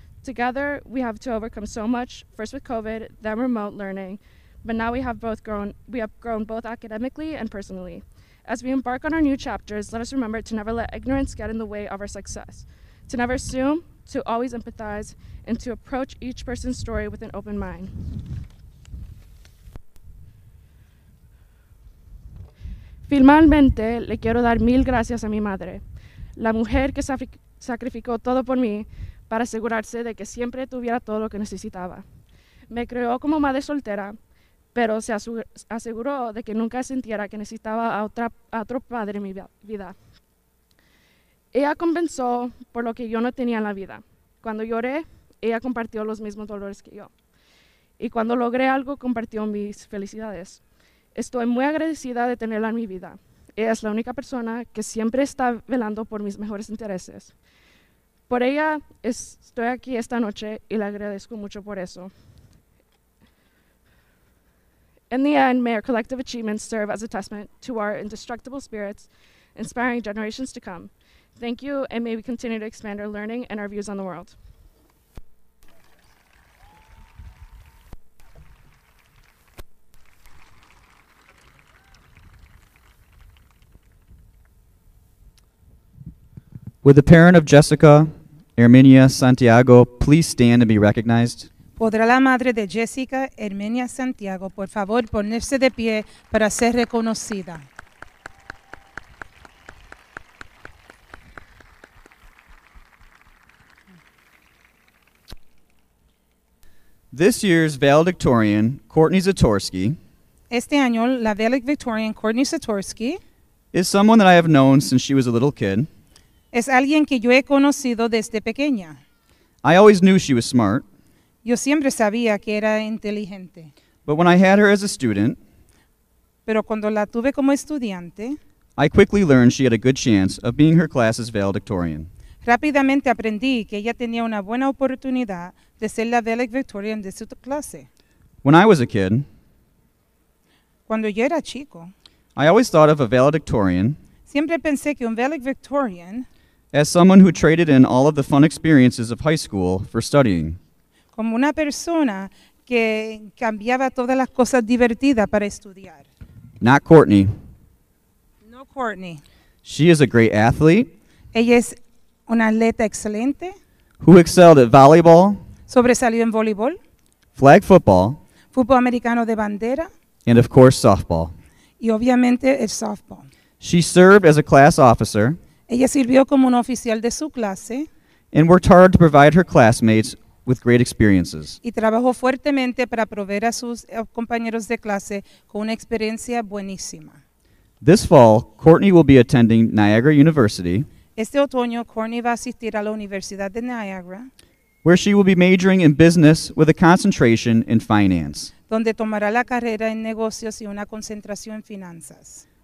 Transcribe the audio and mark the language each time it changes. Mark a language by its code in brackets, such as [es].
[en] Together, we have to overcome so much, first with COVID, then remote learning, but now we have grown both academically and personally. As we embark on our new chapters, let us remember to never let ignorance get in the way of our success, to never assume, to always empathize, and to approach each person's story with an open mind. [es] Finalmente, le quiero dar mil gracias a mi madre, la mujer que sacrificó todo por mí para asegurarse de que siempre tuviera todo lo que necesitaba. Me creó como madre soltera, pero se aseguró de que nunca sintiera que necesitaba a otro padre en mi vida. Ella compensó por lo que yo no tenía en la vida. Cuando lloré, ella compartió los mismos dolores que yo. Y cuando logré algo, compartió mis felicidades. Estoy muy agradecida de tenerla en mi vida. Ella es la única persona que siempre está velando por mis mejores intereses. Por ella, estoy aquí esta noche y le agradezco mucho por eso. [en] In the end, may our collective achievements serve as a testament to our indestructible spirits, inspiring generations to come. Thank you, and may we continue to expand our learning and our views on the world. Would the parent of Jessica, Herminia Santiago, please stand and be recognized? [es] ¿Podrá la madre de Jessica, Herminia Santiago, por favor ponerse de pie para ser reconocida? [en] This year's valedictorian, Courtney Zatorski, [es] este año, la valedictorian Courtney Zatorski, [en] is someone that I have known since she was a little kid. [es] Es alguien que yo he conocido desde pequeña. [en] I always knew she was smart. [es] Yo siempre sabía que era inteligente. [en] But when I had her as a student, [es] pero cuando la tuve como estudiante, [en] I quickly learned she had a good chance of being her class's valedictorian. [es] Rápidamente aprendí que ella tenía una buena oportunidad de ser la valedictorian de su clase. [en] When I was a kid, [es] cuando yo era chico, [en] I always thought of a valedictorian, [es] siempre pensé que un valedictorian, [en] as someone who traded in all of the fun experiences of high school for studying. [es] Como una persona que cambiaba todas las cosas divertidas para estudiar. [en] Not Courtney. [es] No Courtney. [en] She is a great athlete. [es] Ella es una atleta excelente. [en] Who excelled at volleyball. [es] Sobresalió en voleibol. [en] Flag football. [es] Fútbol americano de bandera. [en] And of course, softball. [es] Y obviamente el softball. [en] She served as a class officer. [es] Ella sirvió como un oficial de su clase. [en] And worked hard to provide her classmates with great experiences. [es] Y trabajó fuertemente para proveer a sus compañeros de clase con una experiencia buenísima. [en] This fall, Courtney will be attending Niagara University. [es] Este otoño, Courtney va a asistir a la Universidad de Niagara, [en] where she will be majoring in business with a concentration in finance. [es] Donde tomará la carrera en negocios y una concentración en finanzas.